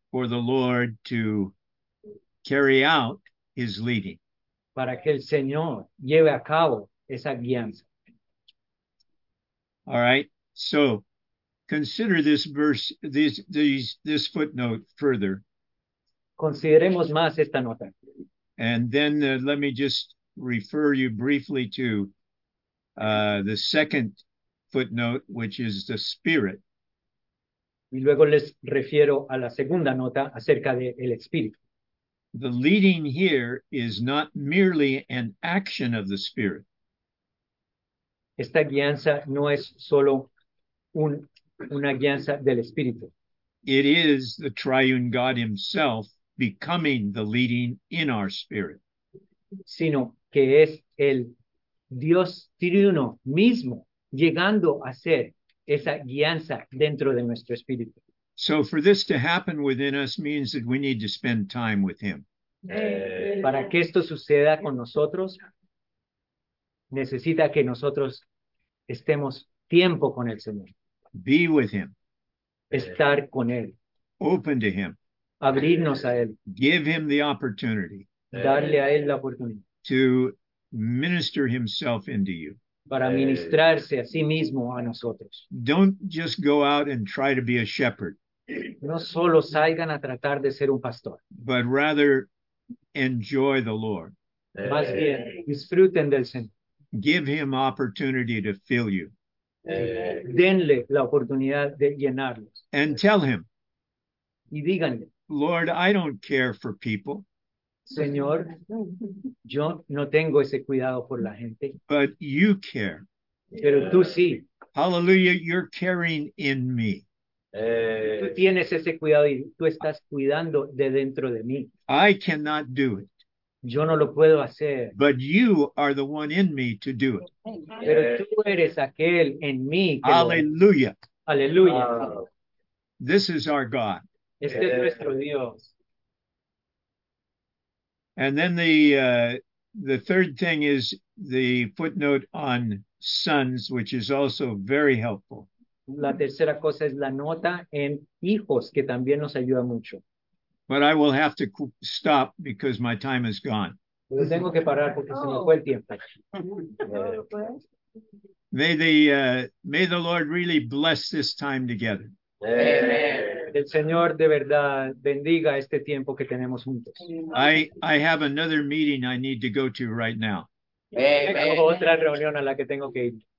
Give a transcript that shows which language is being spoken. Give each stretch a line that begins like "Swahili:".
English: For the Lord to carry out his leading.
Spanish: Para que el Señor lleve a cabo esa guianza.
English: All right. So consider this verse, this footnote further.
Spanish: Consideremos más esta nota.
English: And then let me just refer you briefly to the second footnote, which is the Spirit.
Spanish: Y luego les refiero a la segunda nota acerca del Espíritu.
English: The leading here is not merely an action of the Spirit.
Spanish: Esta guianza no es solo una guianza del Espíritu.
English: It is the triune God himself becoming the leading in our spirit.
Spanish: Sino que es el Dios triuno mismo llegando a ser esa guianza dentro de nuestro espíritu.
English: So for this to happen within us means that we need to spend time with him.
Spanish: Para que esto suceda con nosotros, necesita que nosotros estemos tiempo con el Señor.
English: Be with him.
Spanish: Estar con él.
English: Open to him.
Spanish: Abrirnos a él.
English: Give him the opportunity.
Spanish: Darle a él la oportunidad.
English: To minister himself into you.
Spanish: Para ministrarse a sí mismo a nosotros.
English: Don't just go out and try to be a shepherd.
Spanish: No solo salgan a tratar de ser un pastor.
English: But rather enjoy the Lord.
Spanish: Más bien, disfruten del Señor.
English: Give him opportunity to fill you.
Spanish: Denle la oportunidad de llenarlos.
English: And tell him.
Spanish: Y díganle.
English: Lord, I don't care for people.
Spanish: Señor, yo no tengo ese cuidado por la gente.
English: But you care.
Spanish: Pero tú sí.
English: Hallelujah, you're caring in me.
Spanish: Tú tienes ese cuidado y tú estás cuidando de dentro de mí.
English: I cannot do it.
Spanish: Yo no lo puedo hacer.
English: But you are the one in me to do it.
Spanish: Pero tú eres aquel en mí.
English: Hallelujah. Hallelujah. This is our God.
Spanish: Este es nuestro Dios.
English: And then the third thing is the footnote on sons, which is also very helpful.
Spanish: La tercera cosa es la nota en hijos, que también nos ayuda mucho.
English: But I will have to stop because my time is gone.
Spanish: Pero tengo que parar porque se me fue el tiempo.
English: May the Lord really bless this time together. Amen.
Spanish: El Señor de verdad bendiga este tiempo que tenemos juntos.
English: I have another meeting I need to go to right now. Amen.
Spanish: Tengo otra reunión a la que tengo que ir.